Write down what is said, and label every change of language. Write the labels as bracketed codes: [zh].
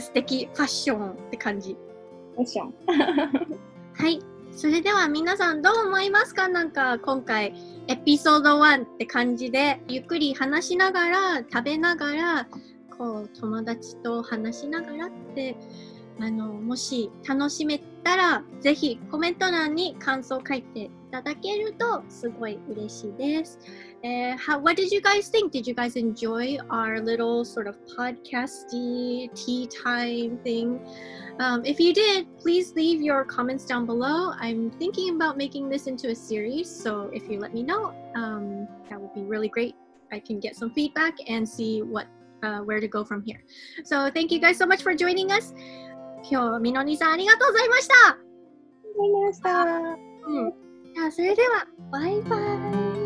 [ja] 素敵ファッションって感じ。はい、それでは皆さんどう思いますか？なんか今回エピソード1って感じでゆっくり話しながら食べながらこう友達と話しながらって、もし楽しめたらぜひコメント欄に感想を書いていただけるとすごい嬉しいです。 [en] What did you guys think? Did you guys enjoy our little sort of podcasty tea time thing? If you did, please leave your comments down below. I'm thinking about making this into a series, so if you let me know, that would be really great. I can get some feedback and see what, where to go from here. So thank you guys so much for joining us. [ja] 今日はみのにさんありがとうございました。ありがとうございました。じゃあそれではバイバイ。